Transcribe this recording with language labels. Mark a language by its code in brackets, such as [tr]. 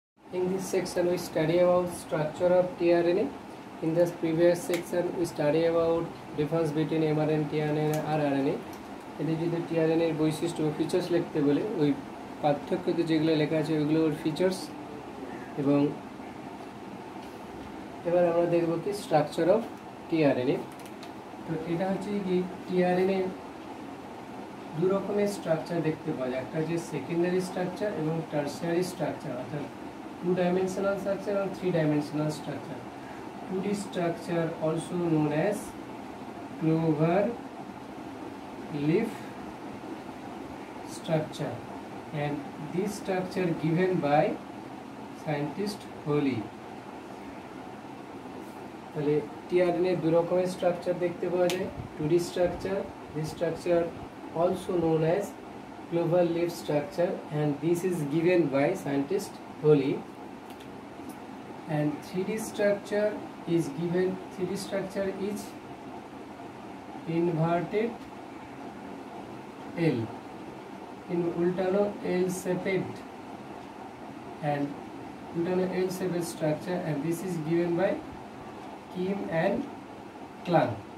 [en] In this section, we study about structure of tRNA. In this previous section, we study about difference between mRNA, tRNA, and RNA. [bn] এতে যদি টিআরএনএর বৈশিষ্ট্য ও features লিখতে বলে ওই পার্থক্যতে যেগুলো লেখা আছে ওইগুলোর ফিচার্স এবং এবার আমরা দেখব কি স্ট্রাকচার অফ টিআরএনএ। তো এটা হচ্ছে কি টিআরএনএ দু রকমের স্ট্রাকচার দেখতে পাওয়া যায়, একটা যে সেকেন্ডারি স্ট্রাকচার এবং টার্সিয়ারি স্ট্রাকচার, অর্থাৎ টু ডাইমেনশনাল স্ট্রাকচার এবং three dimensional structure. [en] Two D structure also known as clover leaf structure, and this structure given by scientist Holy. [bn] তাহলে টিআরএনএ দু রকমের স্ট্রাকচার দেখতে পাওয়া যায়, [en] Two D structure, this structure also known as clover leaf structure, and this is given by scientist Holley. And three D structure is given, three D structure is inverted L, in ultano L shaped, and ultano L shaped structure, and this is given by Kim and Klang.